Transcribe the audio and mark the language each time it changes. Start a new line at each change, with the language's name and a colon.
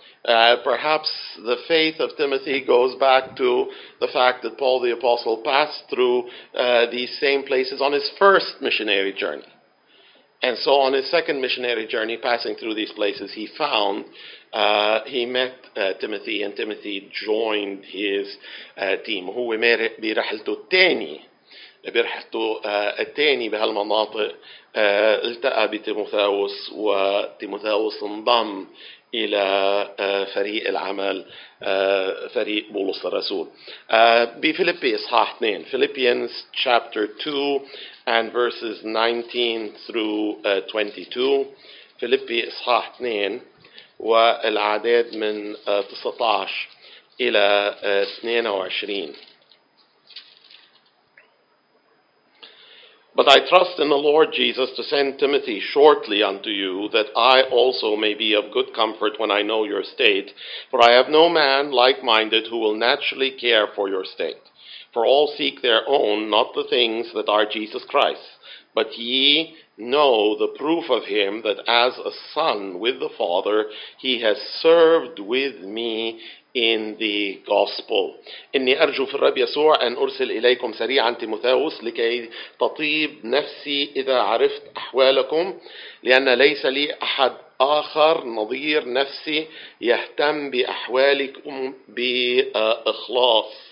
English: Perhaps the faith of Timothy goes back to the fact that Paul the Apostle passed through these same places on his first missionary journey. And so on his second missionary journey, passing through these places, he found, he met Timothy, and Timothy joined his team.
Arabic: هو مر برحلته الثاني برحلته الثاني بهالمناطق التقى بتيموثاوس وتيموثاوس انضم إلى فريق العمل فريق بولس الرسول بفيليبي إصحاح 2
English: Philippians chapter 2 and verses 19 through 22
Arabic: فيليبي إصحاح 2 والعدد من 19 إلى 22
English: But I trust in the Lord Jesus to send Timothy shortly unto you, that I also may be of good comfort when I know your state. For I have no man like-minded who will naturally care for your state. For all seek their own, not the things that are Jesus Christ. But ye know the proof of him, that as a son with the Father, he has served with me in the gospel.
Arabic: إني أرجو في الرب يسوع أن أرسل إليكم سريعا تيموثاوس لكي تطيب نفسي إذا عرفت أحوالكم لأن ليس لي أحد آخر نظير نفسي يهتم بأحوالكم بإخلاص